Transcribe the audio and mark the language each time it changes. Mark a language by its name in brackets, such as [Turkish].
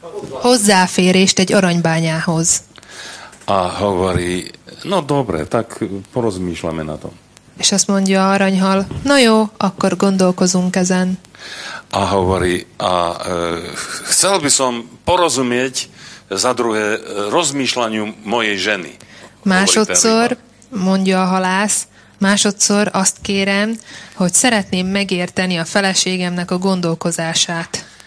[Hungarian] Hozzáférést egy aranybányához. [Slovak] A hovorí, no dobre, tak porozmýšľame na tom. [Hungarian] És azt mondja aranyhal, na jó, akkor gondolkozunk ezen. [Slovak] A hovorí, a chcel by som porozumieť za druhé rozmýšľaniu mojej ženy. [Hungarian] Másodszor, mondja a halász, másodszor azt kérem, hogy szeretném megérteni a feleségemnek a gondolkozását.